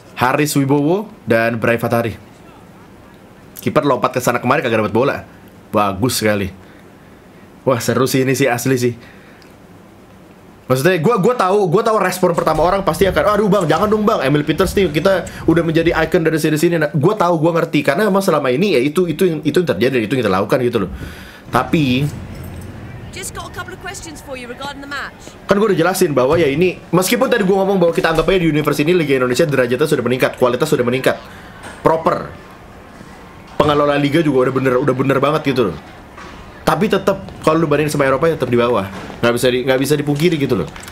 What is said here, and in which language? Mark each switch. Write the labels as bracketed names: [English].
[Indonesian] Haris Wibowo dan Bray Fatari. Kiper lompat ke sana kemari kagak dapat bola. Bagus sekali. Wah, seru sih ini sih, asli sih. Maksudnya gua tahu respon pertama orang pasti akan, aduh Bang, jangan dong Bang, Emil Peters nih kita udah menjadi ikon dari series ini. Nah, gua tahu, gua ngerti karena emang selama ini ya itu yang terjadi, itu yang kita lakukan gitu loh. [English] Tapi just got a couple of questions for you regarding the match. [Indonesian] Kan gua udah jelasin bahwa ya ini meskipun tadi gua ngomong bahwa kita anggap aja di universe ini Liga Indonesia derajatnya sudah meningkat, kualitas sudah meningkat. Proper. Pengelola liga juga udah bener banget gitu loh. Tapi tetap kalau lu bandingin sama Eropa ya tetap di bawah. Enggak bisa dipungkiri gitu loh.